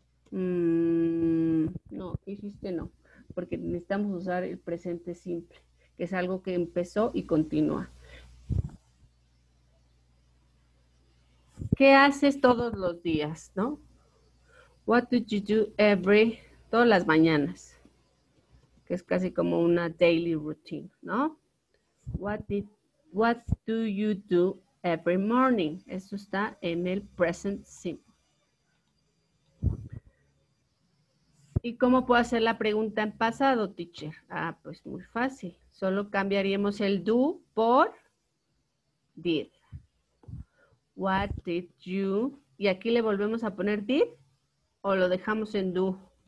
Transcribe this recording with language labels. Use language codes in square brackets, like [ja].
[es] No, hiciste no, porque necesitamos usar el presente simple, que es algo que empezó y continúa. ¿Qué haces todos los días, no? [en] What did you do every, [es] todas las mañanas? Que es casi como una daily routine, ¿no? [en] What do you do every morning? [es] Eso está en el present simple. ¿Y cómo puedo hacer la pregunta en pasado, teacher? Ah, pues muy fácil. Solo cambiaríamos el do por did. [en] What did you... [es] ¿Y aquí le volvemos a poner did o lo dejamos en do?